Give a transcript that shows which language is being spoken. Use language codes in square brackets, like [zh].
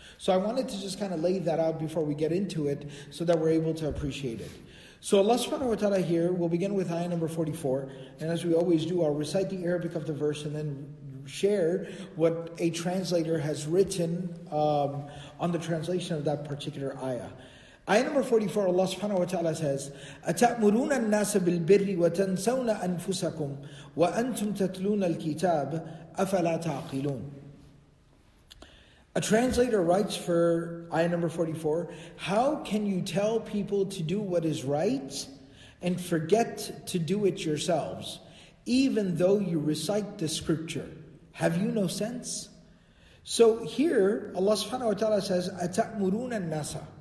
[en] So I wanted to just kind of lay that out before we get into it so that we're able to appreciate it. So Allah subhanahu wa ta'ala here, we'll begin with ayah number 44. And as we always do, I'll recite the Arabic of the verse and then share what a translator has written on the translation of that particular ayah. [ar] Ayah number 44, Allah subhanahu wa ta'ala says, أَتَأْمُرُونَ النَّاسَ بِالْبِرِّ وَتَنْسَوْنَ أَنفُسَكُمْ وَأَنْتُمْ تَتْلُونَ الْكِتَابِ أَفَلَا تَعْقِلُونَ. [en] A translator writes for ayah number 44, how can you tell people to do what is right and forget to do it yourselves, even though you recite the scripture? Have you no sense? So here, Allah subhanahu wa ta'ala says, [ar] أَتَأْمُرُونَ النَّاسَ.